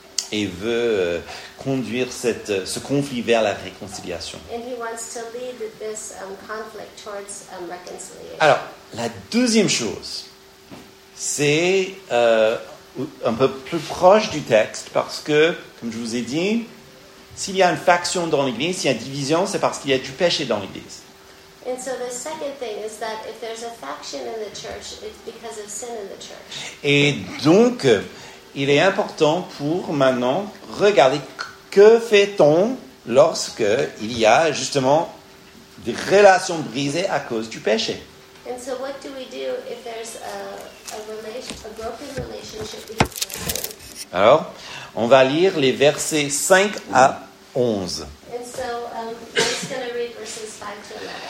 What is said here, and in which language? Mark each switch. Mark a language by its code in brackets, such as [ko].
[fr] et veut conduire ce conflit vers la réconciliation. [en] And he wants to lead this conflict towards reconciliation. [fr] Alors, la deuxième chose, c'est un peu plus proche du texte, parce que, comme je vous ai dit, s'il y a une faction dans l'Église, s'il y a une division, c'est parce qu'il y a du péché dans l'Église. [en] And so the second thing is that if there's a faction in the church, it's because of sin in the church. [fr] Et donc, il est important pour maintenant regarder que fait-on lorsque il y a justement des relations brisées à cause du péché. [en] And so what do we do if there's a broken relationship? [fr] Alors, on va lire les versets 5 à 11. [en] And so, I'm going to read verses 5 to 11.